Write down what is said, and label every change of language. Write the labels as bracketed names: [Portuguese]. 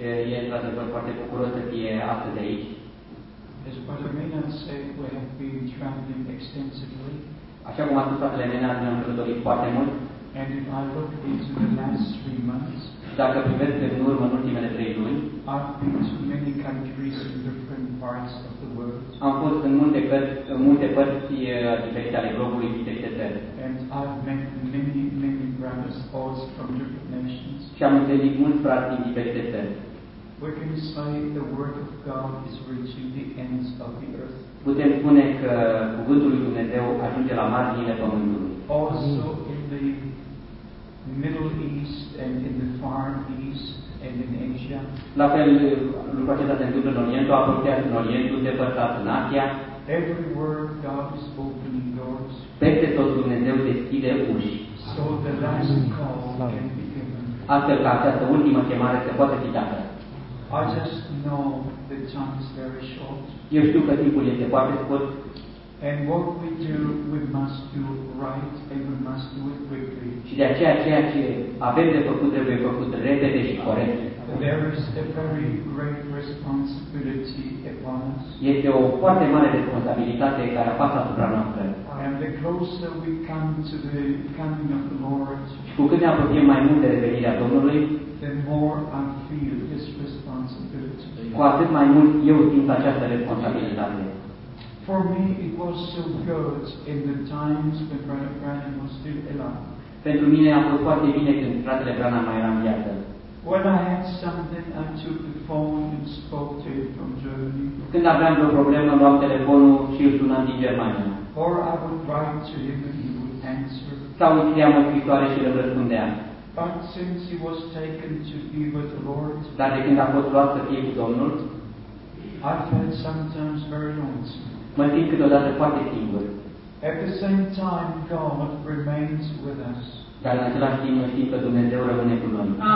[Romanian] E într-adevăr foarte bucuros să fie astăzi aici. [English] As Brother Mena said, we have been traveling extensively. [Romanian] Așa cum a spus fratele Mena, ne-am călătorit foarte mult. [English] And if I look into the last 3 months, [Romanian] dacă privesc în urmă în ultimele 3 luni, [English] I've been to many countries in different parts of the world. [Romanian] Am fost în multe părți diferite ale globului, diferite țări. [English] And I've met many brothers also from different nations. [Romanian] Și am întâlnit mulți frați din diferite țări. [English] We can say the word of God is reaching the ends of the earth. [Romanian] Putem spune că cuvântul lui Dumnezeu ajunge la marginile pământului. [English] Also in the Middle East and in the Far East and in Asia. [Romanian] La fel lucrul acesta se întâmplă în Orientul Apropiat, în Orientul Depărtat, în Asia. [English] Everywhere God is opening doors. [Romanian] Peste tot Dumnezeu deschide uși. [English] So the last call can be given. [Romanian] Astfel că această ultimă chemare se poate fi dată. [English] I just know the time is very short. [Romanian] Eu știu că timpul este foarte scurt. [English] And what we do, we must do right, and we must do it quickly. [Romanian] Și de aceea ceea ce avem de făcut trebuie făcut repede și corect. [English] There is a very great responsibility upon us. [Romanian] Este o foarte mare responsabilitate care apasă asupra noastră. [English] And the closer we come to the coming of the Lord, [Romanian] cu cât ne apropiem mai mult de revenirea Domnului, [English] the more I feel this responsibility. [Romanian] Cu atât mai mult eu simt această responsabilitate. [English] For me, it was so good in the times when Brother Branham was still alive. [Romanian] Pentru mine a fost foarte bine când fratele Branham mai era în viață. [English] When I had something, I took the phone and spoke to him from Germany. [Romanian] Când aveam o problemă, luam telefonul Hirtun din Germania. [English] Or I would write to him and he would answer. [Romanian] Sau îmi scriam o scrisoare și le răspundea. [English] But since he was taken to be with the Lord, [Romanian] dar de când a fost luat să fie cu Domnul, [English] I felt sometimes very lonesome. [Romanian] Mă simt câteodată foarte singur. [English] At the same time, God remains with us. [Romanian] Dar în același timp, știm că Dumnezeu rămâne cu noi.